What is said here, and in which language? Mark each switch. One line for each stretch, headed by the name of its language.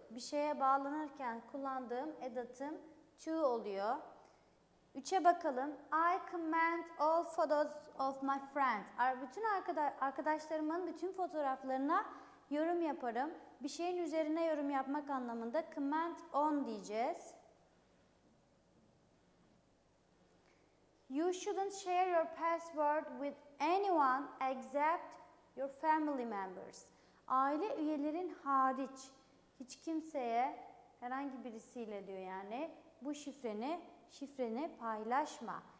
Turkish: Bir şeye bağlanırken kullandığım edatım to oluyor. 3'e bakalım.
English: I command all photos of my friends.
Turkish: Bütün arkadaşlarımın bütün fotoğraflarına yorum yaparım. Bir şeyin üzerine yorum yapmak anlamında comment on diyeceğiz.
English: You shouldn't share your password with anyone except your family members.
Turkish: Aile üyelerin hariç hiç kimseye herhangi birisiyle diyor yani bu şifreni paylaşma.